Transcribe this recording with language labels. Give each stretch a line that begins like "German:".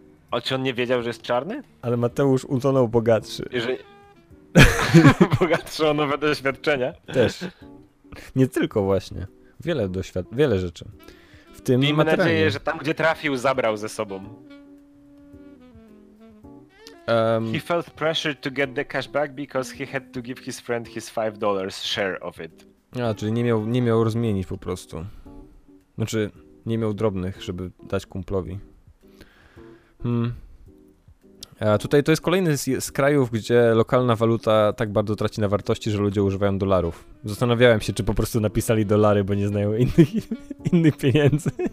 Polish: A czy on nie wiedział, że jest czarny? Ale Mateusz utonął bogatszy. Bogatsze o nowe doświadczenia. Też. Nie tylko właśnie. Wiele rzeczy. W tym materialnie. Miejmy nadzieję, że tam, gdzie trafił, zabrał ze sobą.
English: He felt pressured to get the cash back because he had to give his friend his $5 share of it.
Polish: A, czyli nie miał rozmienić po prostu. Znaczy, nie miał drobnych, żeby dać kumplowi. A tutaj to jest kolejny z krajów, gdzie lokalna waluta tak bardzo traci na wartości, że ludzie używają dolarów. Zastanawiałem się, czy po prostu napisali dolary, bo nie znają innych pieniędzy.